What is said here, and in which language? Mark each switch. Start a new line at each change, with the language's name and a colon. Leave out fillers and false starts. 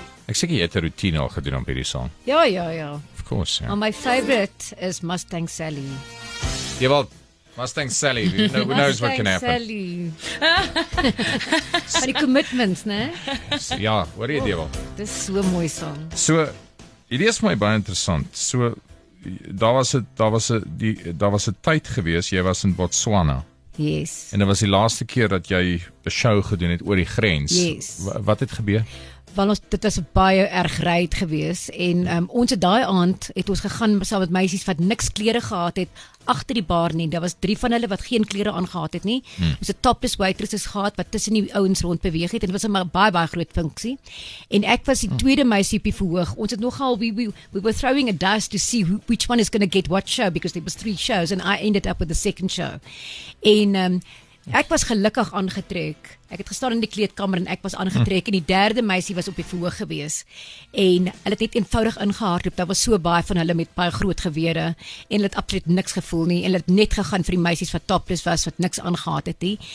Afrikaans: Ek sê jy het 'n routine al gedoen op hierdie song. Ja.
English: Of course, ja. And my favorite is Mustang Sally.
Afrikaans: Jy wel,
English: Mustang Sally, who knows what can happen.
Afrikaans: Mustang Sally. Maar die commitments, ne? Ja, hoor jy die wel? Dis so mooi song. So, hierdie is my baie interessant. So, daar was 'n tyd gewees, jy was in Botswana.
English: Yes.
Afrikaans: En dit was die laaste keer dat jy 'n show gedoen het oor die grens.
English: Yes.
Afrikaans: Wat het gebeur? Want ons, dit was baie erg ryd gewees en ons het daai aand het ons gegaan saam met meisies wat niks klere gehad het agter die bar nie. Daar was 3 van hulle wat geen klere aangehad het nie. Ons het topless waitresses gehad wat tussen die ouens rond beweeg het en dit was 'n baie groot funksie. En ek was die tweede meisie op die verhoog. Ons het nogal
English: we were throwing a dice to see which one is going to get what show because there was 3 shows and I ended up with the second show.
Afrikaans: En ek was gelukkig aangetrek. Ek het gestaan in die kleedkamer en ek was aangetrek en die derde meisie was op die verhoog gewees. En hulle het net eenvoudig ingehardloop. Daar was so baie van hulle met baie groot gewere en hulle het absoluut niks gevoel nie. En hulle het net gegaan vir die meisies wat topless was, wat niks aangehad het nie.